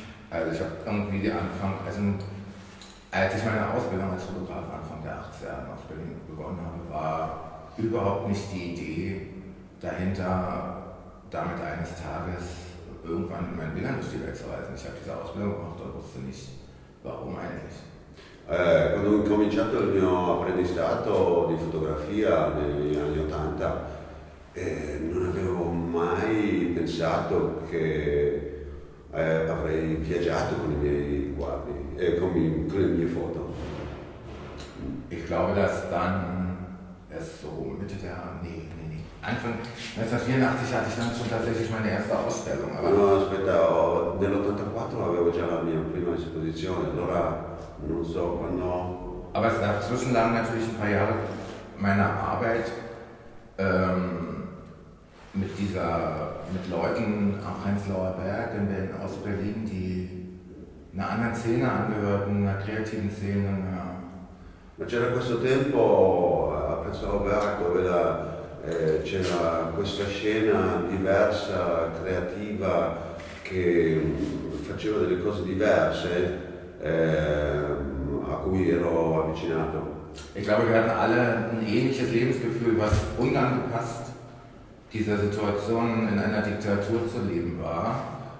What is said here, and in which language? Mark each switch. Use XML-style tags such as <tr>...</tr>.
<de>Also ich habe irgendwie angefangen, also als ich meine Ausbildung als Fotograf Anfang der 80er Jahre aus Berlin begonnen habe, war überhaupt nicht die Idee dahinter, damit eines Tages irgendwann in meinen Bildern durch die Welt zu reisen. Ich habe diese Ausbildung gemacht und wusste nicht, warum eigentlich.</de> <it>Quando ho cominciato il mio apprendistato di fotografia negli anni 80, non avevo mai pensato che avrei viaggiato con i miei quadri, con le mie foto.</it> <de>Ich glaube, dass dann es so Mitte der Anfang 1984 hatte ich dann schon tatsächlich meine erste Ausstellung.</de> <it>Aber no, aspetta, nell'84 avevo già la mia prima esposizione, allora non so quando.</it> <de>Aber es gab zwischenlang natürlich ein paar Jahre meiner Arbeit mit Leuten am Prenzlauer Berg in Berlin, aus Berlin, die einer anderen Szene angehörten, einer kreativen Szene. Ja.</de> <it>Ma c'era questo tempo a Prenzlauer Berg, dove c'era questa scena diversa, creativa, che faceva delle cose diverse, a cui ero avvicinato.</it> <de>Ich glaube, wir hatten alle ein ähnliches Lebensgefühl, was unangepasst dieser Situation in einer Diktatur zu leben war.</de>